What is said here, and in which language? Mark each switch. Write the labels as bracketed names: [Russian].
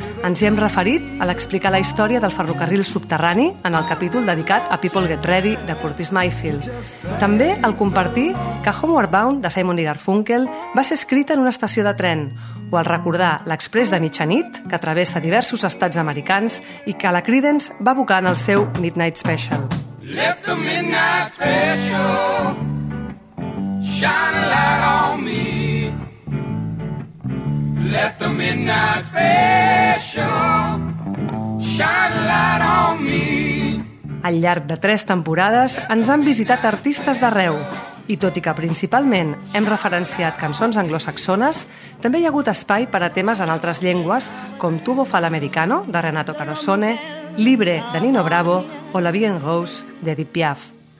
[Catalan] Ens hi hem referit a l'explicar la història del ferrocarril subterrani en el capítol dedicat a People Get Ready de Curtis Mayfield. També al compartir que Homeward Bound de Simon i Garfunkel va ser escrita en una estació de tren, o al recordar l'Express de mitjanit, que travessa diversos estats americans i que la Creedence va abocar en el seu Midnight Special. [English] Let the midnight special shine a light on me. Let the midnight special shine a light on me. [Catalan] Al llarg de 3 temporades ens han visitat artistes d'arreu i, tot i que principalment hem referenciat cançons anglosaxones, també hi ha hagut espai per a temes en altres llengües com Tubo fa l'americano, de Renato Carosone, Libre, de Nino Bravo, o La vie en rose, de Edith Piaf.